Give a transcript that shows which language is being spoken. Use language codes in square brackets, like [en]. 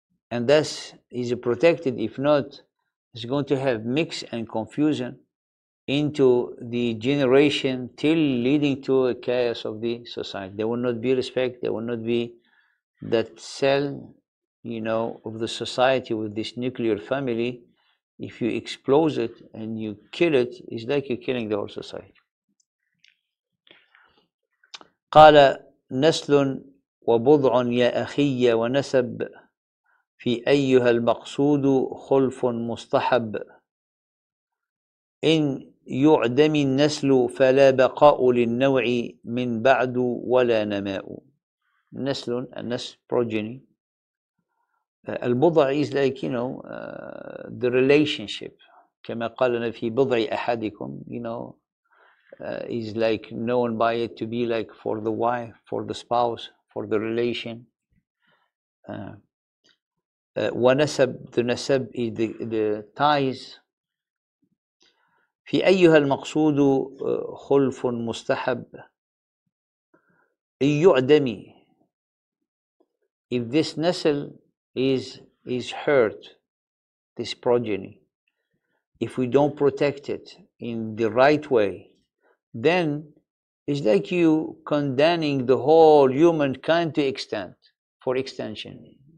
[en] And thus, he's protected. If not, he's going to have mix and confusion into the generation till leading to a chaos of the society. There will not be respect, there will not be that cell, you know, of the society with this nuclear family. If you explode it and you kill it, it's like you're killing the whole society. [ar] قال نسل وبضع يا أخي ونسب في أيها المقصود خلف مستحب إن يعدم النسل فلا بقاء للنوع من بعد ولا نماء. [en] نسل, النسل, progeny. البضع is like, you know, the relationship. [ar] كما قالنا في بضع أحدكم, [en] you know, is like known by it to be like for the wife, for the spouse, for the relation. ونسب, the نسب is the ties. [ar] في أيها المقصود خلف مستحب إن يعدمي. [en] If this nasl is hurt, this progeny, if we don't protect it in the right way, then it's like you condemning the whole humankind to extent, for extension.